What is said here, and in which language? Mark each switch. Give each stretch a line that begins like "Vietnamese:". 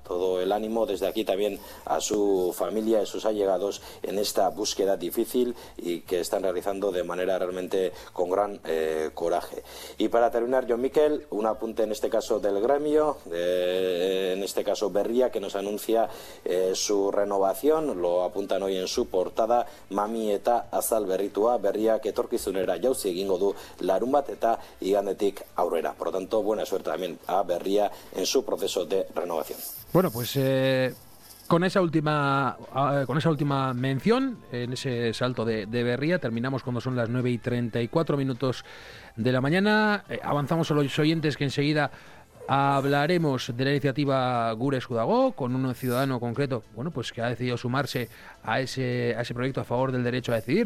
Spanish: Todo el ánimo desde aquí también a su familia y sus allegados en esta búsqueda difícil y que están realizando de manera realmente con gran coraje. Y para terminar, John Miquel, un apunte en este caso del gremio, en este caso Berria, que nos anuncia su renovación. Lo apuntan hoy en su portada.
Basque: Mami eta azal berritua, Berria que etorkizunera jauzi egingo du larunbat eta igandetik aurrera.
Spanish: Por lo tanto, buena suerte también a Berria en su proceso de renovación. Bueno, pues Con esa última mención, en ese salto de Berria, terminamos cuando son las 9:34 de la mañana. Avanzamos a los oyentes, que enseguida hablaremos de la iniciativa Gure Sudagó, con un ciudadano concreto, que ha decidido sumarse a ese proyecto a favor del derecho a decidir.